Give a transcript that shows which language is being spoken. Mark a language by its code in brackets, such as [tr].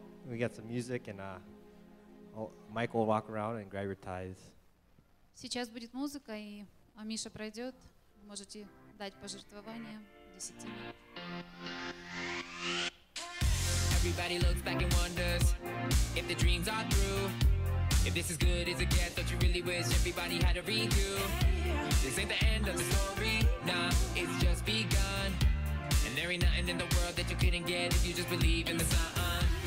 [en] We got some music and Michael will walk around and grab your tithes. [ru] Сейчас будет музыка, и Миша пройдет. Можете дать пожертвование десятину. [en] Everybody looks back and wonders if the dreams are true. If this is good as it gets, don't you really wish everybody had a redo? This ain't the end of the story, nah, it's just begun. And there ain't nothing in the world that you couldn't get if you just believe in the sun.